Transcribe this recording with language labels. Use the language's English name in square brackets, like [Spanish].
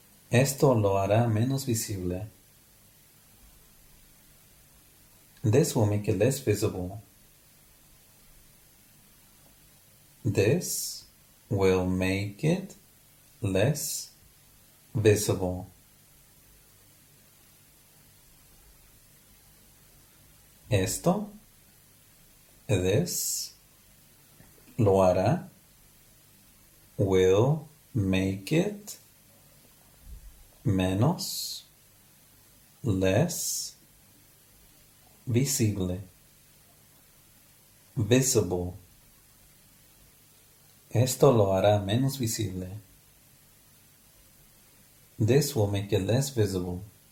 [Spanish] Esto lo hará menos visible. [English] This will make it less visible. This will make it less visible. [Spanish] Esto, [English] this, [Spanish] lo hará, [English] will make it [Spanish] menos, [English] less, visible, visible. [Spanish] Esto lo hará menos visible. [English] This will make it less visible.